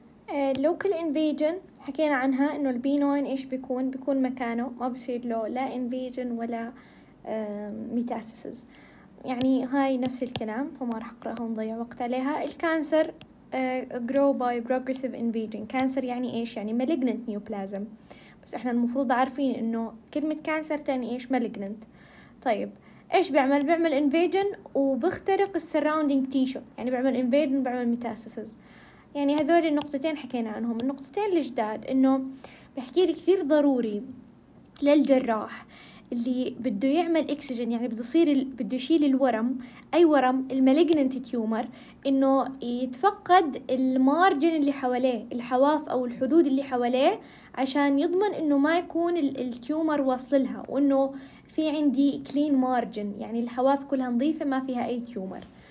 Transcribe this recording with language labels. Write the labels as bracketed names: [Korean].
[Arabic] اللوكال انفيجن حكينا عنها، انه البي 9 ايش بيكون؟ بيكون مكانه ما بصير له لا انفيجن ولا ميتاستاسيس، يعني هاي نفس الكلام فما راح اقراها ونضيع وقت عليها. الكانسر [English] grow by progressive invasion. [Arabic] كانسر يعني ايش؟ يعني malignant neoplasm. بس احنا المفروض عارفين انه كلمه كانسر تعني ايش؟ malignant. طيب ايش بيعمل؟ بيعمل invasion وبيخترق surrounding tissue، يعني بيعمل invasion وبيعمل metastasis. يعني هذول النقطتين حكينا عنهم. النقطتين الجداد انه بحكي لك كثير ضروري للجراح اللي بده يعمل اكسجين، يعني بده يصير بده يشيل الورم، اي ورم المالجننت تيومر، انه يتفقد المارجن اللي حواليه، الحواف او الحدود اللي حواليه، عشان يضمن انه ما يكون التيومر واصل لها، وانه في عندي كلين مارجن، يعني الحواف كلها نظيفه ما فيها اي تيومر.